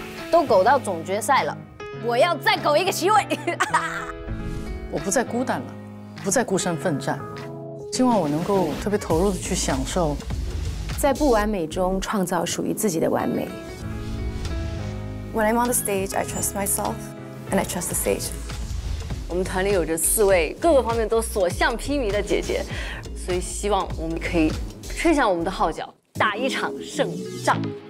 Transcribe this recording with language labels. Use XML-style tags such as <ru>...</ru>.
<zh>都苟到总决赛了，我要再苟一个席位。我不再孤单了，不再孤身奋战，希望我能够特别投入地去享受，在不完美中创造属于自己的完美。</zh> <en>When I'm on the stage, I trust myself, and I trust the stage.</en> <zh>我们团里有着四位各个方面都所向披靡的姐姐，所以希望我们可以吹响我们的号角，打一场胜仗。</zh>